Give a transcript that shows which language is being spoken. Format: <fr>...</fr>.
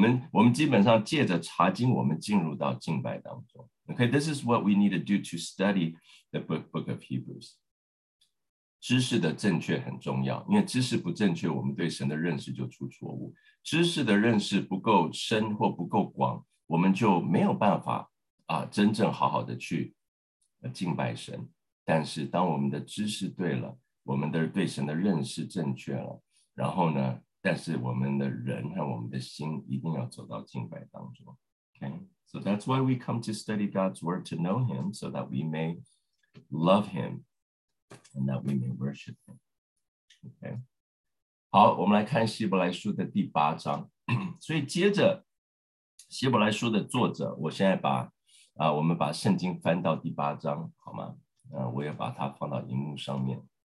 <zh>我们基本上借着查经，我们进入到敬拜当中。</zh> <en>Okay, this is what we need to do to study the book of Hebrews.</en> <zh>知识的正确很重要，因为知识不正确，我们对神的认识就出错误。知识的认识不够深或不够广，我们就没有办法啊，真正好好的去敬拜神。但是当我们的知识对了，我们的对神的认识正确了，然后呢，但是我们的人和我们的心一定要走到敬拜当中。</zh> <en>Okay, so that's why we come to study God's word to know Him, so that we may love Him, and that we may worship Him.</en> <zh>Okay, 好，我们来看希伯来书的第八章。所以接着希伯来书的作者，我现在把我们把圣经翻到第八章，好吗？我也把它放到荧幕上面。</zh>